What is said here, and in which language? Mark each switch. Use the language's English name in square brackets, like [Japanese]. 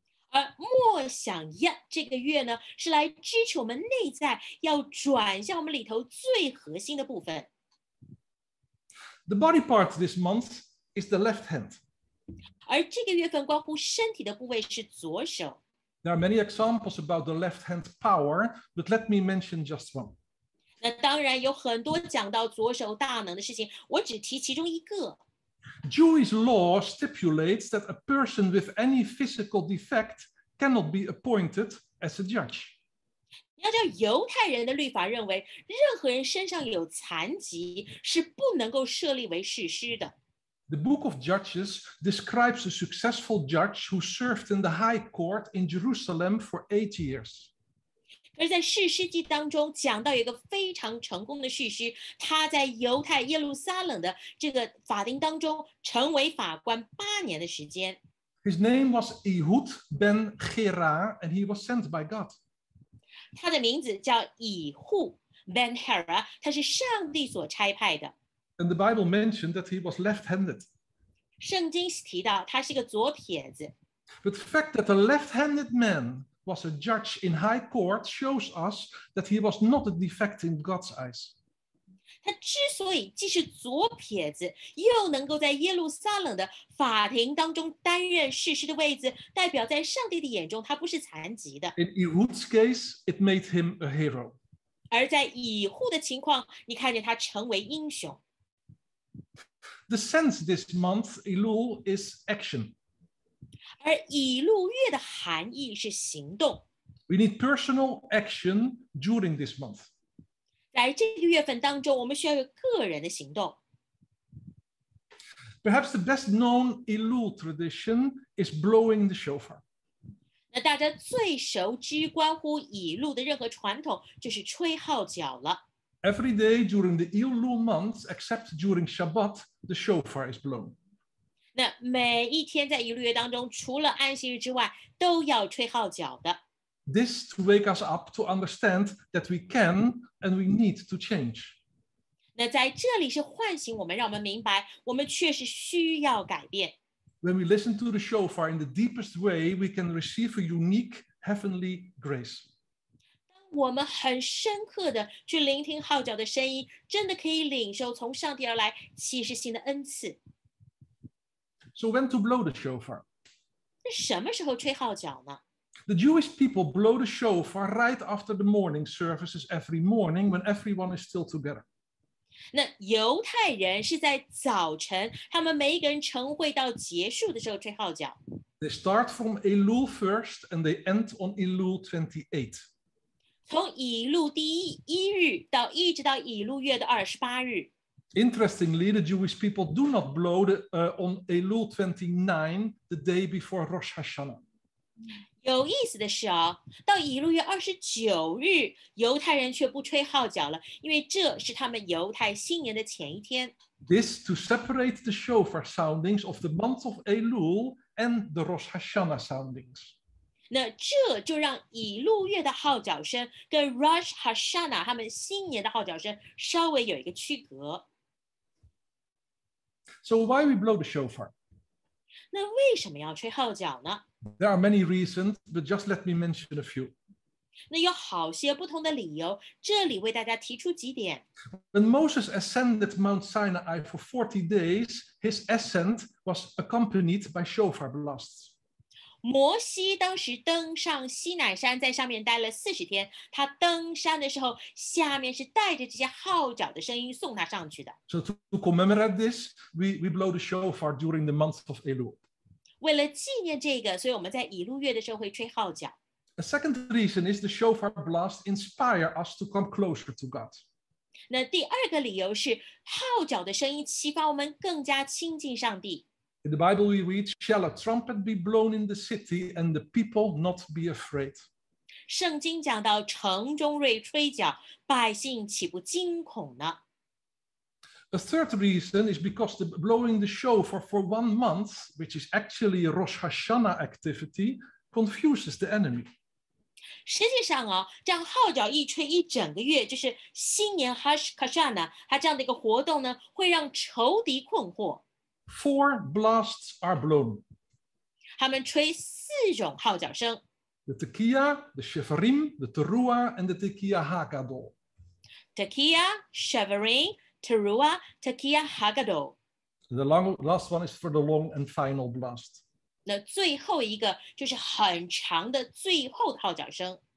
[Chinese] 而默想耶这个月呢，是来支持我们内在要转向我们里头最核心的部分。 [English] The body part this month is the left hand. [Chinese] 而这个月份关乎身体的部位是左手。 [English] There are many examples about the left hand power, but let me mention just one. [Chinese] 那当然有很多讲到左手大能的事情，我只提其中一个。 [English] Jewish law stipulates that a person with any physical defect cannot be appointed as a judge. [Chinese] 要知道犹太人的律法认为任何人身上有残疾是不能够设立为士师的。 [English] The book of Judges describes a successful judge who served in the high court in Jerusalem for 8 years. [Chinese] 可是在士师记当中讲到一个非常成功的士师，他在犹太耶路撒冷的这个法庭当中成为法官八年的时间。 [English] His name was Ehud ben Gera, and he was sent by God. [Chinese] 他的名字叫以户 ben Gera, 他是上帝所差派的。 [English] And the Bible mentioned that he was left-handed. [Chinese] 圣经提到他是一个左撇子。 [English] But the fact that a left-handed man was a judge in high court shows us that he was not a defect in God's eyes. [Chinese] 他之所以既是左撇子，又能够在耶路撒冷的法庭当中担任士师的位置，代表在上帝的眼中他不是残疾的。 [English] In Ehud's case, it made him a hero. [Chinese] 而在以户的情况，你看见他成为英雄。 [English] The sense this month, Elul, is action. [Chinese] 而以路月的含义是行动。 [English] We need personal action during this month. [Chinese] 在这个月份当中，我们需要有个人的行动。 [English] Perhaps the best known Elul tradition is blowing the shofar. [Chinese] 那大家最熟知关乎以路的任何传统，就是吹号角了。 [English] Every day during the Elul month, except during Shabbat, the shofar is blown. [Chinese] 那每一天在以路月当中，除了安息日之外，都要吹号角的。 [English] This to wake us up to understand that we can and we need to change. [Chinese] 那在这里是唤醒我们，让我们明白，我们确实需要改变。 [English] When we listen to the shofar in the deepest way, we can receive a unique heavenly grace. [Chinese] 当我们很深刻的去聆听号角的声音，真的可以领受从上帝而来启示性的恩赐。 [English] So when to blow the shofar? [Chinese] 那什么时候吹号角呢？ [English] The Jewish people blow the shofar right after the morning services every morning when everyone is still together. [Chinese] 那犹太人是在早晨，他们每一个人晨会到结束的时候吹号角。 [English] They start from Elul first and they end on Elul 28. [Chinese] 从以路第一日到一直到以路月的二十八日。 [English] Interestingly, the Jewish people do not blow on Elul 29, the day before Rosh Hashanah. [Chinese] 有意思的是啊，到以路月二十九日，犹太人却不吹号角了，因为这是他们犹太新年的前一天。 [English] This to separate the shofar soundings of the month of Elul and the Rosh Hashanah soundings. [Chinese] 那这就让以路月的号角声跟 Rosh Hashanah 他们新年的号角声稍微有一个区隔。 [English] So why we blow the shofar? [Chinese] 那为什么要吹号角呢？ [English] There are many reasons, but just let me mention a few. [Chinese] 那有好些不同的理由，这里为大家提出几点。 [English] When Moses ascended Mount Sinai for 40 days, his ascent was accompanied by shofar blasts. [Chinese] 摩西当时登上西乃山，在上面待了40天，他登山的时候，下面是带着这些号角的声音送他上去的。 [English] So to commemorate this, we blow the shofar during the month of Elul. [Chinese] 为了纪念这个，所以我们在以路月的时候会吹号角。 [English] A second reason is the shofar blast inspire us to come closer to God. [Chinese] 那第二个理由是，号角的声音启发我们更加亲近上帝。 [English] In the Bible we read, shall a trumpet be blown in the city and the people not be afraid? [Chinese] 圣经讲到城中锐吹角，百姓岂不惊恐呢？ [English] A third reason is because the blowing the shofar for 1 month, which is actually a Rosh Hashanah activity, confuses the enemy. [Chinese] 实际上啊，这样号角一吹一整个月，就是新年 Rosh Hashanah, 它这样的一个活动呢，会让仇敌困惑。 [English] Four blasts are blown. [Chinese] 他们吹四种号角声。 [English] The Tekiah, the Shevarim, the Teruah, and the Tekiah HaGadol. [Hebrew] Tekiah, Shevarim, Teruah, Tekiah HaGadol. [English] The last one is for the long and final blast. [Chinese] 那最后一个就是很长的最后的号角声。